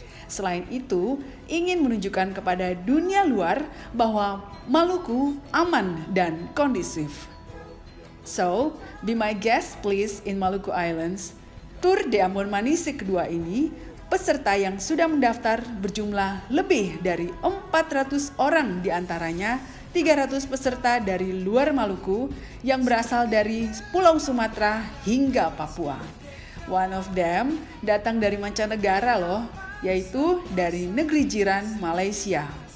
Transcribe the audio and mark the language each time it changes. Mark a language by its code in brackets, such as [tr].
[id] Selain itu, ingin menunjukkan kepada dunia luar bahwa Maluku aman dan kondusif. [en] So, be my guest please in Maluku Islands. [id] Tour de Ambon Manise kedua ini, peserta yang sudah mendaftar berjumlah lebih dari 400 orang, diantaranya 300 peserta dari luar Maluku yang berasal dari Pulau Sumatera hingga Papua. [en] One of them [id] datang dari mancanegara loh, yaitu dari negeri jiran Malaysia.